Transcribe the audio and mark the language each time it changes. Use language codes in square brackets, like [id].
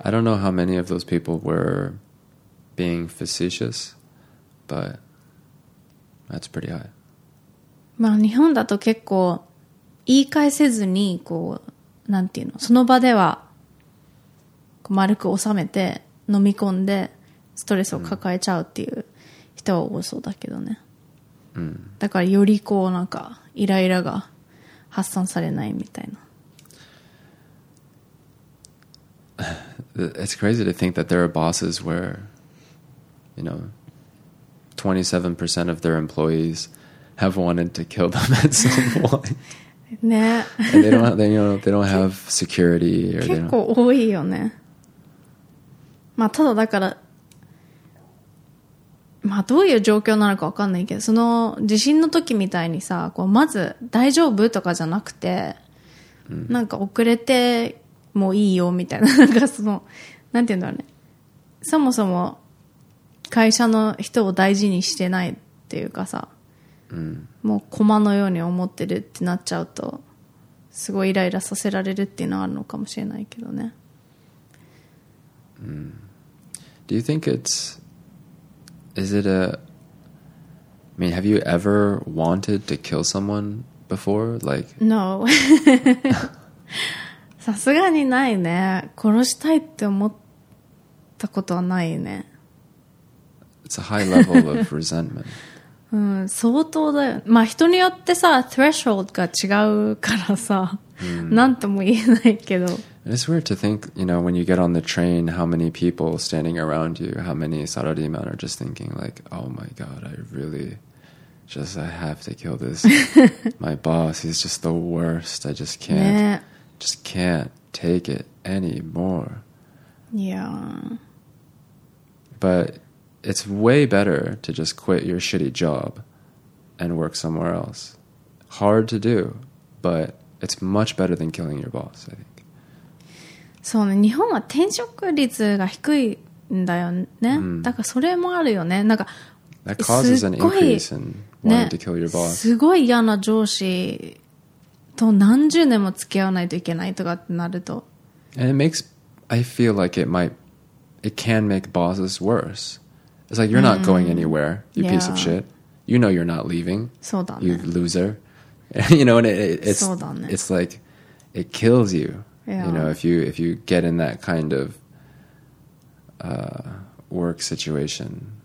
[en] I don't know how many of those people were being facetious, but... That's pretty high. [ja] まあ日本だと結構言い返せずにこうなんていうのその場ではこう丸く収めて飲み込んでストレスを抱えちゃうっていう人は多そうだけどね。だからよりこうなんかイライラが発散されないみたいな。 [en] It's crazy to think that there are bosses where, you know. 27% of their employees have wanted to kill them at some point. [ja] ね。 [en] And they don't, they, you know, they don't have security. Or [ja] 結構多いよね。まあただだから、まあどういう状況なのか分かんないけど、その地震の時みたいにさ、こうまず大丈夫とかじゃなくて、なんか遅れてもいいよみたいな、なんかその、なんて言うんだろうね。そもそも、会社の人を大事にしてないっていうかさ、もう駒のように思ってるってなっちゃうとすごいイライラさせられるっていうのはあるのかもしれないけどね。 [en] Do you think it's is it a I mean have you ever wanted to kill someone before? Like [ja] No さすがにないね。殺したいって思ったことはないね。 [en] It's a high level of resentment. [ja] 相当だよ。まあ人によってさ、threshold が違うからさ、なんとも言えないけど。 [en] And it's weird to think, you know, when you get on the train, how many people standing around you, how many salaryman are just thinking like, oh my god, I really just, I have to kill this. My boss, he's just the worst. I just can't, just can't take it anymore. Yeah. But... It's way better to just quit your shitty job and work somewhere else. Hard to do, but it's much better than killing your boss, I think. [ja] そうね、日本は転職率が低いんだよね。だからそれもあるよね。なんか、 [en] That causes an increase in wanting、ね、to kill your boss. [ja] すごい嫌な上司と何十年も付き合わないといけないとかってなると。 [en] And it makes, I feel like it might, it can make bosses worse. It's like you're not going anywhere, you piece of shit. You know you're not leaving. [ja] そうだね。 [en] You loser. You know, and it's, [ja] そうだね。 [en] It's like it kills you. Yeah. You know, if you get in that kind of work situation.